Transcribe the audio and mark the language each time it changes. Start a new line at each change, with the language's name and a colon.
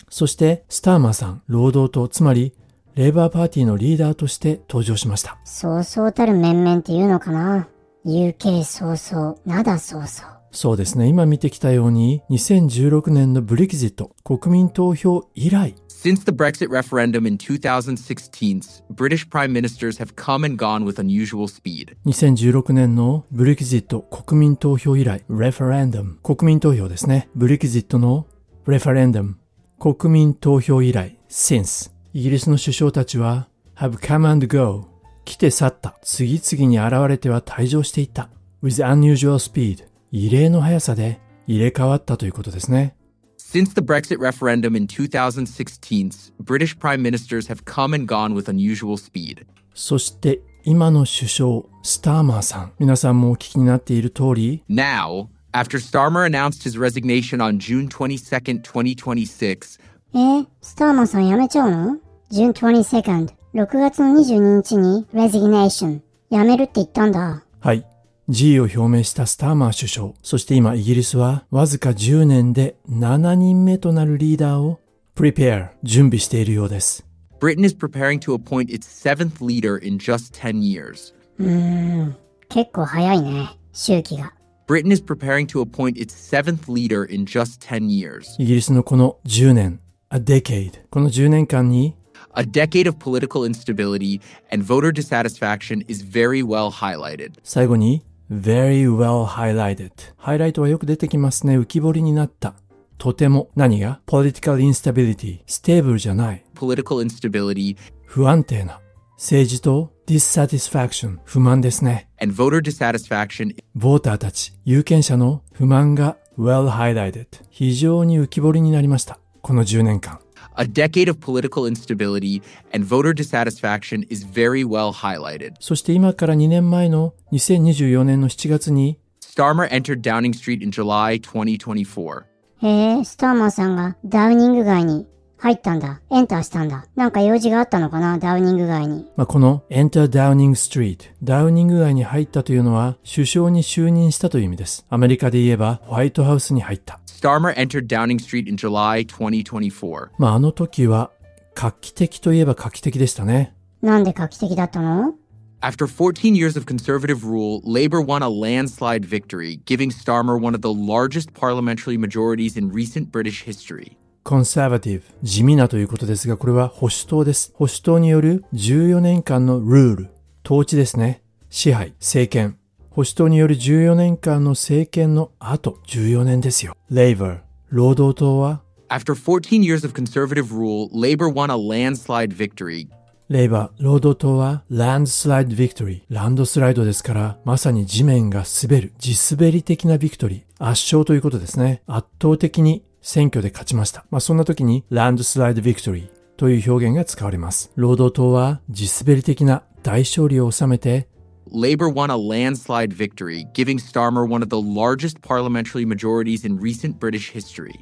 Japanese: そしてスターマーさん、労働党、つまりレーバーパーティーのリーダーとして登場しました。そうそうたる面々っていうのかな。 UK 早々、ナダ早々。そうですね、今見てきたように2016年のブレグジット、国民投票以来、
English: Since the Brexit referendum in 2016, British prime ministers have come and gone with unusual speed.
Japanese: 2016年のブレグジット国民投票以来、 referendum 国民投票ですね、ブレグジットの referendum 国民投票以来、 since イギリスの首相たちは
English: have come and go、
Japanese: 来て去った、次々に現れては退場していった、
English: with unusual speed、
Japanese: 異例の速さで入れ替わったということですね。
English: Since the Brexit referendum in 2016, British prime ministers have come and gone with unusual speed.
Japanese: そして今の首相、スターマーさん。皆さんもお聞きになっている通り、
English: Now, after Starmer announced his resignation on June 22nd, 2026.
Japanese: スターマーさん辞めちゃうの？
English: June 22nd,
Japanese: 6月22日に resignation、 辞めるって言ったんだ。はい、辞意を表明したスターマー首相。そして今イギリスはわずか10年で7人目となるリーダーを prepare、 準備しているようです。
English: Britain is preparing to appoint its seventh leader in just 10 years。
Japanese: 結構早いね、周期が。
English: Britain is preparing to appoint its seventh leader in just 10 years。
Japanese: イギリスのこの10年、
English: a decade、
Japanese: この10年間に
English: A decade of political instability and voter dissatisfaction is very well highlighted.
Japanese: 最後に
English: very well highlighted。
Japanese: ハイライトはよく出てきますね。浮き彫りになった。とても何が
English: political instability、
Japanese: ステーブルじゃない
English: political instability、
Japanese: 不安定な政治と dissatisfaction、 不満ですね。
English: and voter dissatisfaction、
Japanese: ボーターたち、有権者の不満が
English: well highlighted、
Japanese: 非常に浮き彫りになりました、この10年間。
English: A decade of political instability and voter dissatisfaction is very well highlighted.
Japanese: そして今から2年前の2024年の7月に
English: Starmer entered Downing Street in July 2024.
Japanese: へえ、スターマーさんがダウニング街に入ったんだ、エンターしたんだ。なんか用事があったのかな、ダウニング街に。まあ、このエンターダウニングストリート、ダウニング街に入ったというのは首相に就任したという意味です。アメリカで言えばホワイトハウスに入った。
English: Starmer entered Downing Street in July 2024。
Japanese: まあ、あの時は画期的といえば画期的でしたね。なんで画期的だったの？
English: After 14 years of conservative rule, Labour won a landslide victory, giving Starmer one of the largest parliamentary majorities in recent British history.
Japanese: Conservative, 地味なということですが、これは保守党です。保守党による14年間の rule、統治ですね。支配、政権。保守党による14年間の政権の後、14年ですよ。 Labour、労働党は、
English: After 14 years of conservative rule, Labour won a landslide victory.
Japanese: レイバー、労働党は、ランドスライドビクトリー。ランドスライドですから、まさに地面が滑る。地滑り的なビクトリー。圧勝ということですね。圧倒的に選挙で勝ちました。まあそんな時に、ランドスライドビクトリーという表現が使われます。労働党は、地滑り的な大勝利を収めて、
English: Labour won a landslide victory, giving Starmer one of the largest parliamentary majorities in recent British history.